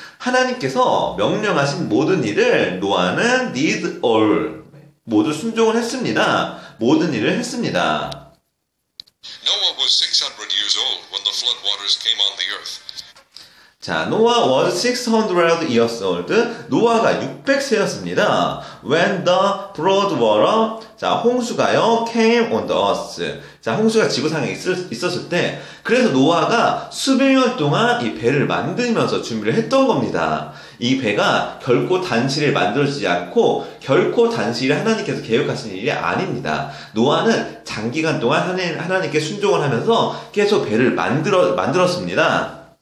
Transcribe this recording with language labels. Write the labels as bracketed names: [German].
[Korean] 하나님께서 명령하신 모든 일을 노아는 [English] did all [Korean] 모두 순종을 했습니다. 모든 일을 했습니다. [English] Noah was 600 years old when the flood waters came on the earth. 자, Noah was 600 years old. [Korean] 노아가 600세였습니다. [English] When the flood water, 자, [Korean] 홍수가요, [English] came on the earth. [Korean] 자, 홍수가 지구상에 있었을 때, 그래서 노아가 수백 년 동안 이 배를 만들면서 준비를 했던 겁니다. 이 배가 결코 단시를 만들지 않고, 결코 단시를 하나님께서 계획하신 일이 아닙니다. 노아는 장기간 동안 하나님께 순종을 하면서 계속 배를 만들었습니다.